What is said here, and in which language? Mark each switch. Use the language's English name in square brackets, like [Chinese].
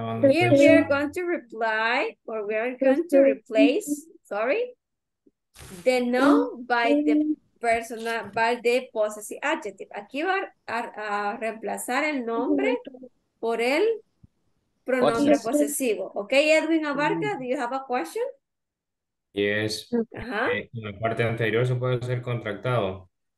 [English] Here we are going to reply, or we are going to replace, sorry, the noun by the personal by the possessive adjective. [Spanish] Aquí va a reemplazar el nombre por el pronombre posesivo. [English] Okay, Edwin Abarca, do you have a question? Yes. Uh-huh. [Spanish] En la parte anterior se puede ser contractado.